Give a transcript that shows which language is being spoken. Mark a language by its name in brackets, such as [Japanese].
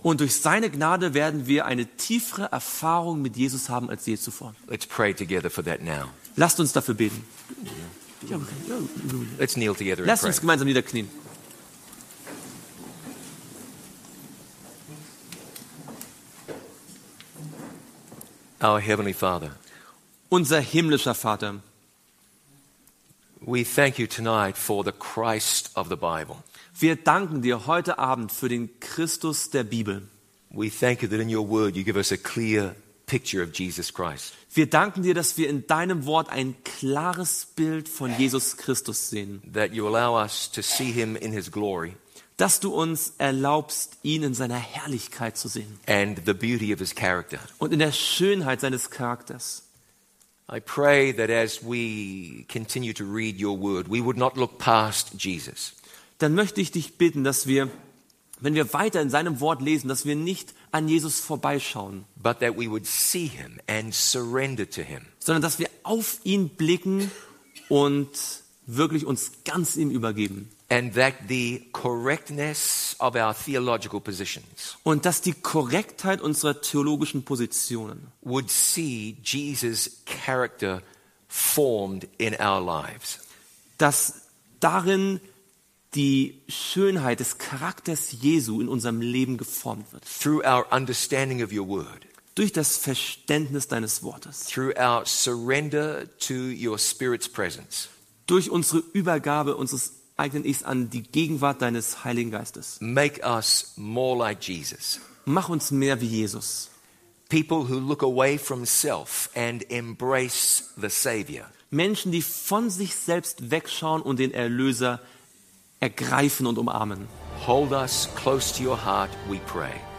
[German] Und durch seine Gnade werden wir eine tiefere Erfahrung mit Jesus haben als je zuvor. [English] Let's pray together for that now. [German] Lasst uns dafür beten. [English] Let's kneel together. [German] Lasst uns gemeinsam niederknien. [English] Our heavenly Father. [German] Unser himmlischer Vater. [English] We thank you tonight for the Christ of the Bible. [German] Wir danken dir heute Abend für den Christus der Bibel. [English] We thank you that in your word you give us a clear picture of Jesus Christ. [German] Wir danken dir, dass wir in deinem Wort ein klares Bild von Jesus Christus sehen. [English] That you allow us to see him in his glory. [German] Dass du uns erlaubst, ihn in seiner Herrlichkeit zu sehen. [English] And the beauty of his character. [German] Und in der Schönheit seines Charakters. [English] I pray that as we continue to read your word, we would not look past Jesus. [German] Dann möchte ich dich bitten, dass wir, wenn wir weiter in seinem Wort lesen, dass wir nicht an Jesus vorbeischauen, [English] but that we would see him and surrender to him, [German] sondern dass wir auf ihn blicken und wirklich uns ganz ihm übergeben. [English] And that the correctness of our theological positions, [German] und dass die Korrektheit unserer theologischen Positionen, [English] would see Jesus' character formed in our lives, [German] dass darin die Schönheit des Charakters Jesu in unserem Leben geformt wird. [English] Through our understanding of your word, [German] durch das Verständnis deines Wortes. [English] Through our surrender to your spirit's presence, [German] durch unsere Übergabe unseres eigenen Ichs an die Gegenwart deines Heiligen Geistes. [English] Make us more like Jesus. [German] Mach uns mehr wie Jesus. [English] People who look away from self and embrace the Savior. [German] Menschen, die von sich selbst wegschauen und den Erlöser ergreifen und umarmen. [English] Hold us close to your heart, we pray.